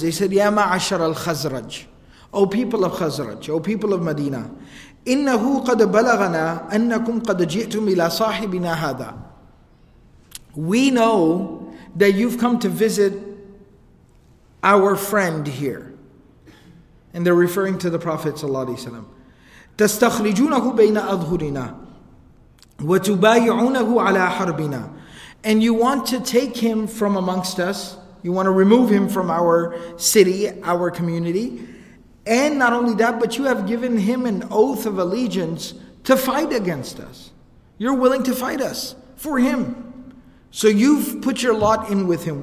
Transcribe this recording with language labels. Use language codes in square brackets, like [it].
[en] They said, [ar] Ya ma'ashara al-Khazraj. [en] O people of Khazraj, O people of Medina. [ar] Innahu qad balagana annakum qad ji'tum ila sahibina hadha. [en] We know that you've come to visit our friend here. And they're referring to the Prophet sallallahu alayhi wa sallam. [ar] تستخرجونه بين أظهرنا وتبايعونه على حربنا. [en] And you want to take him from amongst us. You want to remove him from our city, our community. And not only that, but you have given him an oath of allegiance to fight against us. You're willing to fight us for him. So you've put your lot in with him.